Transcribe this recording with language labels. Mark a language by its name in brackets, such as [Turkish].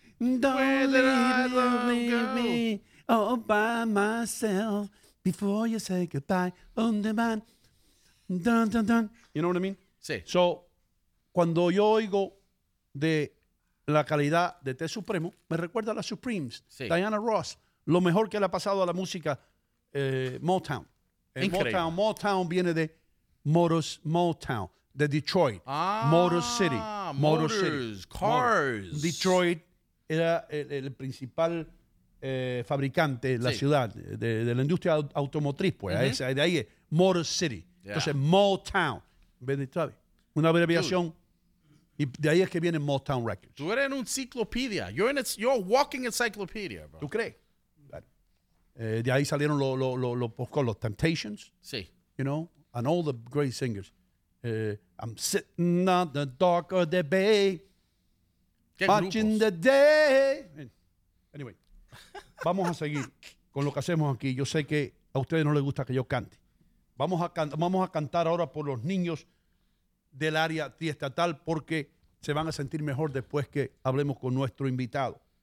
[English] Don't leave me all by myself before you say goodbye on the man. Dun, dun, dun. You know what I mean? [Spanish] Sí. So, cuando yo oigo de la calidad de té supremo, me recuerda a las Supremes. Sí. Diana Ross, lo mejor que le ha pasado a la música Motown. Increíble. Motown viene de Motors Motown, de Detroit. Ah, [English] Motor City. Motors, Motor City. Cars. Motor. [Spanish] Detroit. Era el principal fabricante de la sí. ciudad, de la industria automotriz, pues, uh-huh. De ahí es Motor City. [English] Yeah. [Spanish] Entonces, Motown, una abreviación, [English] dude. [Spanish] Y de ahí es que viene Motown Records. Tú eres en una enciclopedia, you're a walking encyclopedia, bro. ¿Tú crees? De ahí salieron los Temptations, sí. [English] You know, and all the great singers. I'm sitting on the dock of the bay. Watching the day. [Spanish] Anyway, vamos a seguir con lo que hacemos aquí. Yo sé que a ustedes no les gusta que yo cante. Vamos a cantar ahora por los niños del área triestatal porque se van a sentir mejor después que hablemos con nuestro invitado.